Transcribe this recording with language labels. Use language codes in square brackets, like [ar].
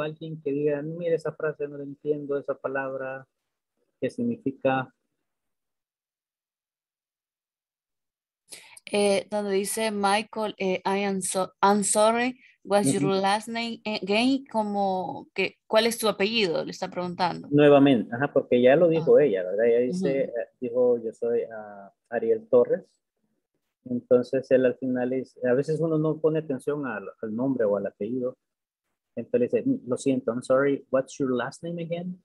[es] ¿Alguien que diga, mire esa frase, no la entiendo, esa palabra, qué significa? Donde dice [en] Michael, I'm sorry, what's your last name again? [es] Como que, ¿cuál es tu apellido? Le está preguntando. Nuevamente, ajá, porque ya lo dijo ella, ¿verdad? Ella dice, dijo, yo soy Ariel Torres. Entonces, él al final es, a veces uno no pone atención al nombre o al apellido. Entonces, dice, lo siento, [en] I'm sorry, what's your last name again?